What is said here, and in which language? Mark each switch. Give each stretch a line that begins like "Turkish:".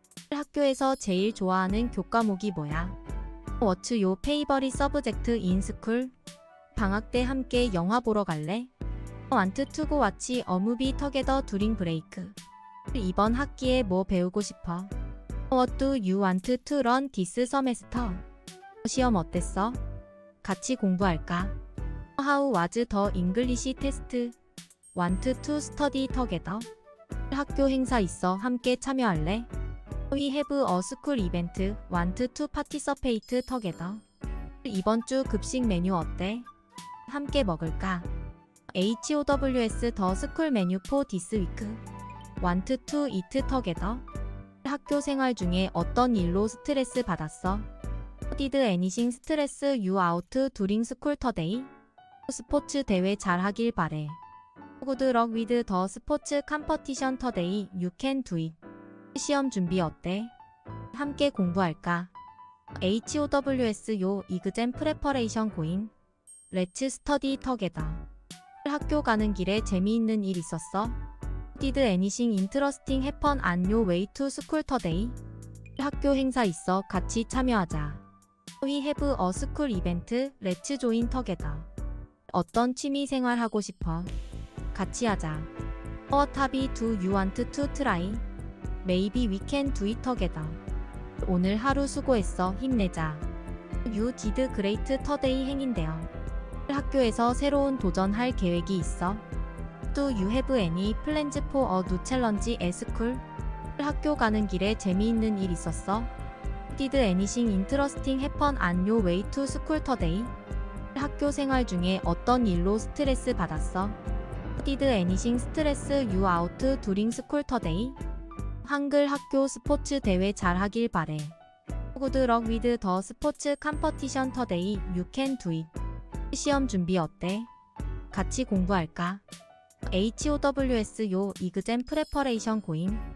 Korean: 학교에서 제일 좋아하는 교과목이 뭐야?
English: What's your favorite subject in school?
Korean: 방학 때 함께 영화 보러 갈래?
English: Want to go watch a movie together during break?
Korean: 이번 학기에 뭐 배우고 싶어?
English: What do you want to learn this semester?
Korean: 시험 어땠어? 같이 공부할까?
English: How was the English test? Want to study together?
Korean: 학교 행사 있어. 함께 참여할래?
English: We have a school event. Want to participate together?
Korean: 이번 주 급식 메뉴 어때? 함께 먹을까?
English: HOWS the school menu for this week. Want to eat together?
Korean: 학교 생활 중에 어떤 일로 스트레스 받았어?
English: Did anything stress you out during school today?
Korean: 스포츠 대회 잘하길 바래.
English: Good luck with the sports competition today. You can do it.
Korean: 시험 준비 어때? 함께 공부할까?
English: HOWS your exam preparation going? Let's study together.
Korean: 학교 가는 길에 재미있는 일 있었어?
English: Did anything interesting happen on your way to school today?
Korean: 학교 행사 있어. 같이 참여하자.
English: We have a school event. Let's join together.
Korean: 어떤 취미 생활 하고 싶어? 같이 하자.
English: What hobby do you want to try? Maybe we can do it together.
Korean: 오늘 하루 수고했어. 힘내자.
English: You did great today.
Korean: 행인데요. 학교에서 새로운 도전 할 계획이 있어?
English: Do you have any plans for a new challenge at school?
Korean: 학교 가는 길에 재미있는 일 있었어?
English: Did anything interesting happen on your way to school today?
Korean: 학교 생활 중에 어떤 일로 스트레스 받았어?
English: Did anything stress you out during school today?
Korean: 한글 학교 스포츠 대회 잘하길 바래.
English: Good luck with the sports competition today. You can do it.
Korean: 시험 준비 어때? 같이 공부할까?
English: HOWS your exam preparation going?